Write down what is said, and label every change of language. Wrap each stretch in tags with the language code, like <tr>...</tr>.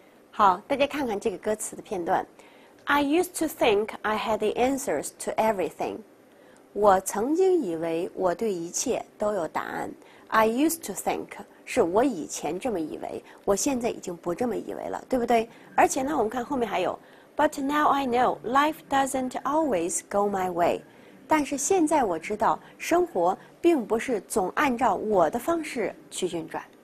<zh>好，大家看看这个歌词的片段。</zh> <en>I used to think I had the answers to everything.</en> <zh>我曾经以为我对一切都有答案。</zh> <en>I used to think</en> <zh>是我以前这么以为，我现在已经不这么以为了，对不对？而且呢，我们看后面还有</zh> <en>But now I know life doesn't always go my way.</en> <zh>但是现在我知道生活并不是总按照我的方式去运转。</zh>